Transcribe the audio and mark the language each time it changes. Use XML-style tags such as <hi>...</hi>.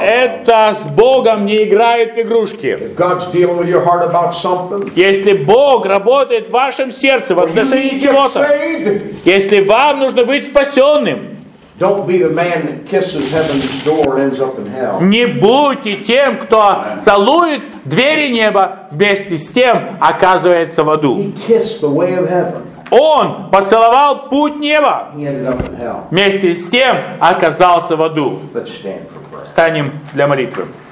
<ru>Это с Богом не играют в игрушки.</ru> <en>If God's dealing with your heart about something,</en> <ru>если Бог работает в вашем сердце в отношении чего-то, если вам нужно быть спасенным,</ru> <en>don't be the man that kisses heaven's door and ends up in hell.</en> <ru>Не будьте тем, кто целует двери неба, вместе с тем оказывается в аду.</ru> <en>He kissed the way of heaven.</en> <ru>Он поцеловал путь неба. Вместе с тем оказался в аду. Встанем для молитвы.</ru>